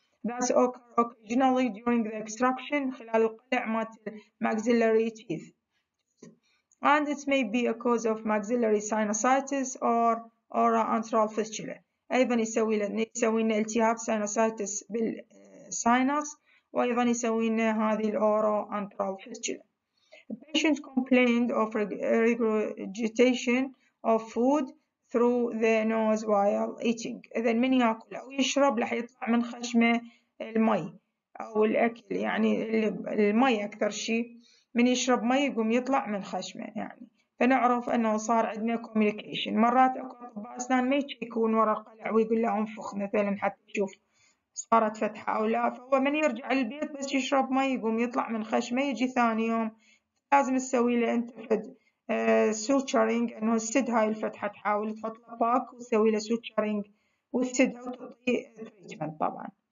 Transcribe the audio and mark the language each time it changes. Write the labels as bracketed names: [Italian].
[English] That occurs occasionally during the extraction [Arabic] خلال القلع مات [English] maxillary teeth. And it may be a cause of maxillary sinusitis or aura antral fistula. [Arabic] أيضا يسوي لنا التهاب sinusitis بالsinus، وأيضا يسوي لنا هذه الأورا antral fistula. [English] The patient complained of regurgitation of food through the nose while eating. [Arabic] إذا من ياكل أو يشرب راح يطلع من خشمه المي أو الأكل، يعني المي أكثر شيء، من يشرب مي يقوم يطلع من خشمه يعني، فنعرف أنه صار عندنا communication. مرات أكو أطباء أسنان ما يشيكون ورا القلع ويقول له انفخ مثلا حتى يشوف صارت فتحة أو لا، فهو من يرجع البيت بس يشرب مي يقوم يطلع من خشمه، يجي ثاني يوم لازم تسوي له أنت فد suturing أنه تسد هاي الفتحة، تحاول تحط له باك وتسوي له suturing وتسدها وتعطي treatment طبعا.